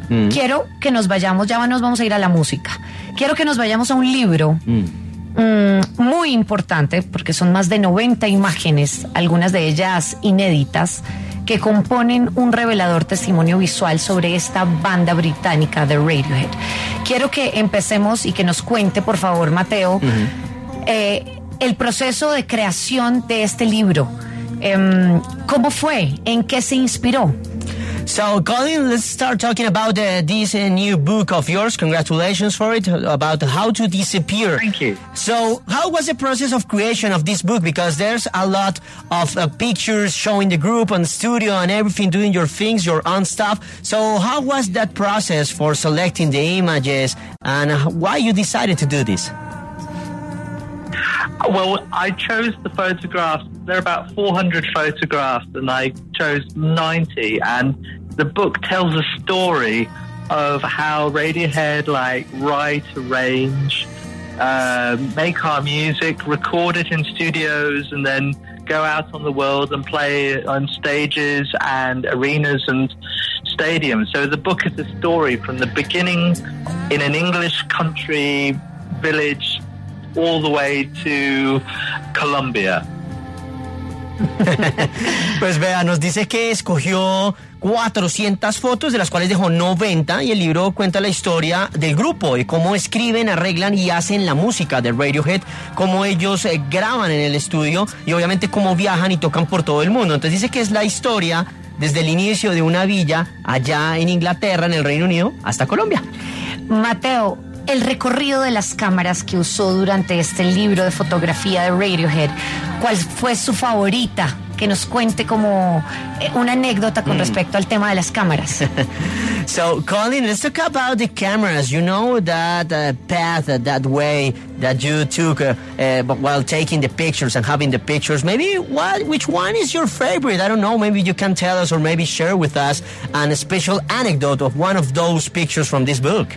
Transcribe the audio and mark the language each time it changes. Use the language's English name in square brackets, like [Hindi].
[Spanish] Quiero que nos vayamos, ya nos vamos a ir a la música. Quiero que nos vayamos a un libro muy importante, porque son más de 90 imágenes, algunas de ellas inéditas, que componen un revelador testimonio visual sobre esta banda británica de Radiohead. Quiero que empecemos y que nos cuente, por favor, Mateo, el proceso de creación de este libro. ¿Cómo fue? ¿En qué se inspiró? [English] So, Colin, let's start talking about this new book of yours. Congratulations for it, about how to disappear. Thank you. So, how was the process of creation of this book? Because there's a lot of pictures showing the group and studio and everything, doing your things, your own stuff. So, how was that process for selecting the images and why you decided to do this? Well, I chose the photographs. There are about 400 photographs, and I chose 90. And the book tells a story of how Radiohead, like, write, arrange, make our music, record it in studios, and then go out on the world and play on stages and arenas and stadiums. So the book is a story from the beginning in an English country village all the way to Colombia. [Spanish] Pues vea, nos dice que escogió 400 fotos, de las cuales dejó 90, y el libro cuenta la historia del grupo y cómo escriben, arreglan y hacen la música de Radiohead, cómo ellos graban en el estudio y obviamente cómo viajan y tocan por todo el mundo. Entonces dice que es la historia desde el inicio de una villa allá en Inglaterra, en el Reino Unido, hasta Colombia. Mateo, el recorrido de las cámaras que usó durante este libro de fotografía de Radiohead, ¿cuál fue su favorita? Que nos cuente como una anécdota con respecto al tema de las cámaras. [English] So, Colin, let's talk about the cameras. You know that path, that way that you took while taking the pictures and having the pictures. Maybe which one is your favorite? I don't know. Maybe you can tell us or maybe share with us a special anecdote of one of those pictures from this book.